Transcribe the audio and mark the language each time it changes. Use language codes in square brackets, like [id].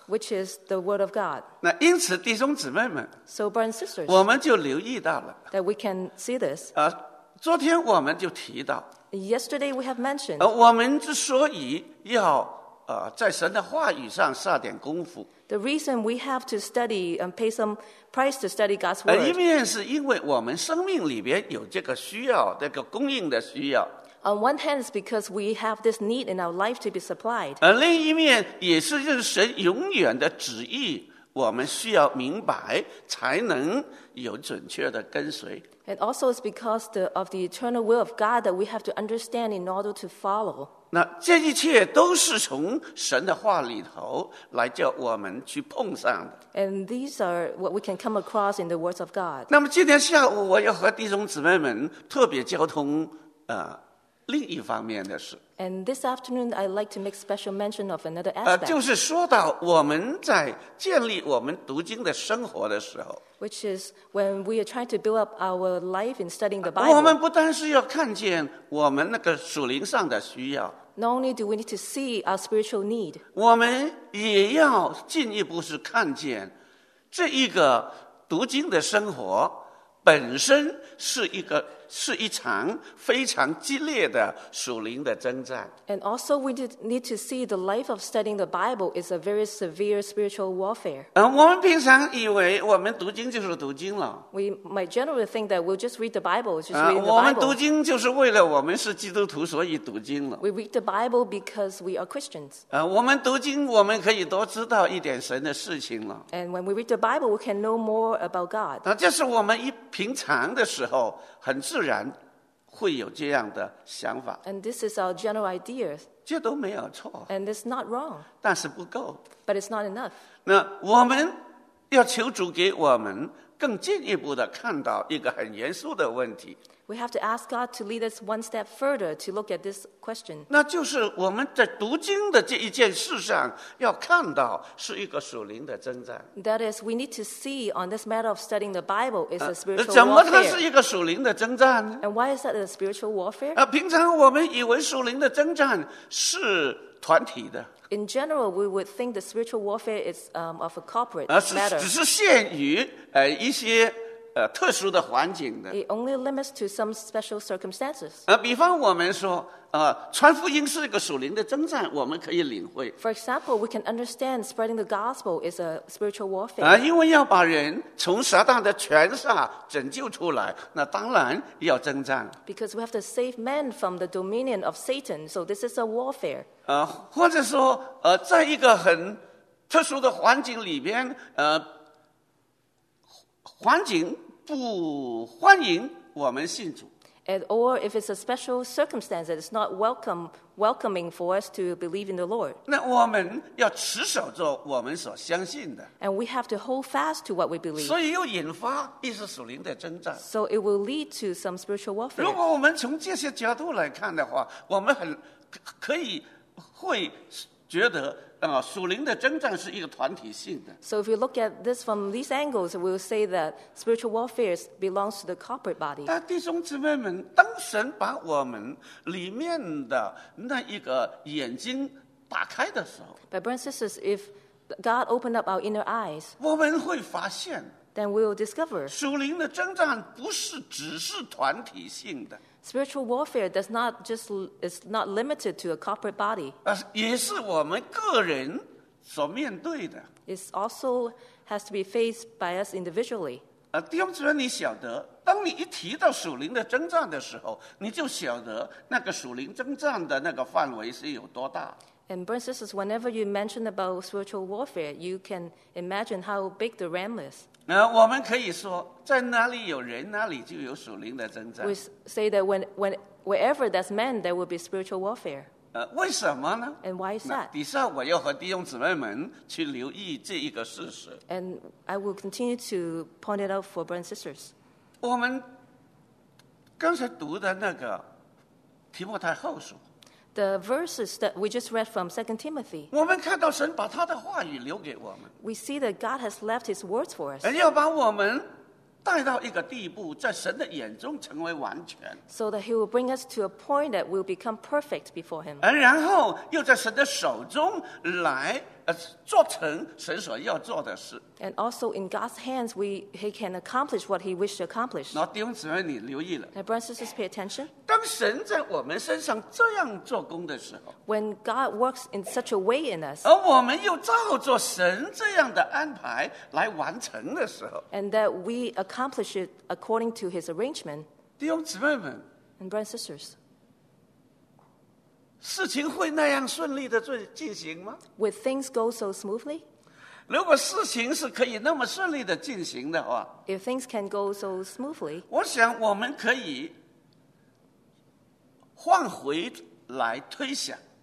[en] Which is the word of God. [zh] 那因此弟兄姊妹们。 [en] So brothers and sisters. [zh] 我们就留意到了。 [en] That we can see this. [zh] 昨天我们就提到。 [en] Yesterday we have mentioned. [zh] 我们之所以要在神的话语上下点功夫。 [en] The reason we have to study and pay some price to study God's word. [zh] 一面是因为我们生命里边有这个需要，这个供应的需要。 [en] On one hand, it's because we have this need in our life to be supplied. [zh] 另一面也是认识神永远的旨意，我们需要明白才能有准确的跟随。 [en] And also it's because of the eternal will of God that we have to understand in order to follow. [zh] 那这一切都是从神的话里头来叫我们去碰上的。 [en] And these are what we can come across in the words of God. [zh] 那么今天下午我要和弟兄姊妹们特别交通另一方面的事。 [en] And this afternoon, I'd like to make special mention of another aspect. [zh] 就是说到我们在建立我们读经的生活的时候。 [en] Which is when we are trying to build up our life in studying the Bible. [zh] 我们不单是要看见我们那个属灵上的需要。 [en] Not only do we need to see our spiritual need. [zh] 我们也要进一步是看见这一个读经的生活本身是一场非常激烈的属灵的征战。 [en] And also we need to see the life of studying the Bible is a very severe spiritual warfare. [zh] 我们平常以为我们读经就是读经了。 [en] We might generally think that we'll just read the Bible, just read the Bible. [zh] 我们读经就是为了我们是基督徒所以读经了。 [en] We read the Bible because we are Christians. [zh] 我们读经我们可以多知道一点神的事情了。 [en] And when we read the Bible, we can know more about God. [zh] 这是我们一平常的时候很自然会有这样的想法。 [en] And this is our general idea. [zh] 这都没有错。 [en] And it's not wrong. [zh] 但是不够。 [en] But it's not enough. [zh] 那我们要求主给我们更进一步的看到一个很严肃的问题。 [en] We have to ask God to lead us one step further to look at this question. [zh] 那就是我们在读经的这一件事上要看到是一个属灵的征战。 [en] That is, we need to see on this matter of studying the Bible is a spiritual warfare. [zh] 怎么它是一个属灵的征战呢？ [en] And why is that a spiritual warfare? [zh] 平常我们以为属灵的征战是团体的。 [en] In general, we would think the spiritual warfare is of a corporate matter. [zh] 只是限于一些特殊的环境的。 [en] It only limits to some special circumstances. [zh] 比方我们说，传福音是一个属灵的征战，我们可以领会。 [en] For example, we can understand spreading the gospel is a spiritual warfare. [zh] 因为要把人从撒旦的权下拯救出来，那当然要征战。 [en] Because we have to save men from the dominion of Satan, so this is a warfare. [zh] 或者说，在一个很特殊的环境里边，环境不欢迎我们信主。 [en] And, or if it's a special circumstance, it's not welcoming for us to believe in the Lord. [zh] 那我们要持守着我们所相信的。 [en] And we have to hold fast to what we believe. [zh] 所以又引发一次属灵的征战。 [en] So it will lead to some spiritual warfare. [zh] 如果我们从这些角度来看的话，我们很可以会觉得属灵的征战是一个团体性的。 [en] So if you look at this from these angles, we'll say that spiritual warfare belongs to the corporate body. [zh] 但弟兄姊妹们，当神把我们里面的那一个眼睛打开的时候， [en] But brothers and sisters, if God opened up our inner eyes, [zh] 我们会发现， [en] then we'll discover [zh] 属灵的征战不是只是团体性的。 [en] Spiritual warfare does not just is not limited to a corporate body. [zh] 也是我们个人所面对的。 [en] It also has to be faced by us individually. [zh] 弟兄姊妹，你晓得，当你一提到属灵的征战的时候，你就晓得那个属灵征战的那个范围是有多大。 [en] And brothers and sisters, whenever you mention about spiritual warfare, you can imagine how big the realm is. [zh] 我们可以说，在哪里有人，哪里就有属灵的征战。 [en] We say that wherever there's men, there will be spiritual warfare. [zh] 为什么呢？ [en] And why is that? [zh] 底下我要和弟兄姊妹们去留意这一个事实。 [en] And I will continue to point it out for brothers and sisters. [zh] 我们刚才读的那个提摩太后书。 [en] The verses that we just read from 2 Timothy. [zh] 我们看到神把他的话语留给我们。 [en] We see that God has left his words for us. [zh] 要把我们带到一个地步，在神的眼中成为完全。 [en] So that he will bring us to a point that we'll become perfect before him. [zh] 然后又在神的手中来做成神所要做的事。 [en] And also in God's hands, he can accomplish what he wished to accomplish. [zh] 那弟兄姊妹，你留意了。 [en] And brothers and sisters, pay attention. [zh] 当神在我们身上这样做工的时候。 [en] When God works in such a way in us. [zh] 而我们又照着神这样的安排来完成的时候。 [en] And that we accomplish it according to his arrangement. [zh] 弟兄姊妹们。 [en] And brothers and sisters. [zh] 事情会那样顺利的进行吗？ [en] Would things go so smoothly? [zh] 如果事情是可以那么顺利的进行的话， [en] If things can go so smoothly, [zh] 我想我们可以换回来推想。